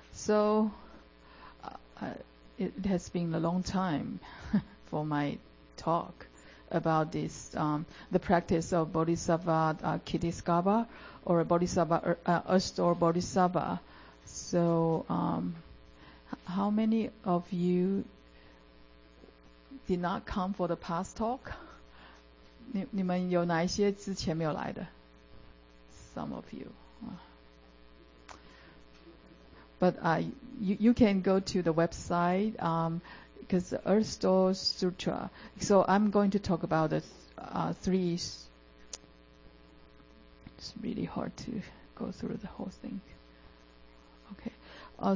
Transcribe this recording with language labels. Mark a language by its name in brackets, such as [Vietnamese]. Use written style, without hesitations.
[English] So it has been a long time for my talk about this, the practice of Bodhisattva Kitisgaba or Bodhisattva Astor Bodhisattva. So how many of you did not come for the past talk? [Chinese] 你们有哪一些之前没有来的? [English] Some of you. But you can go to the website because the Earth Store Sutra. So I'm going to talk about the three. It's really hard to go through the whole thing. Okay.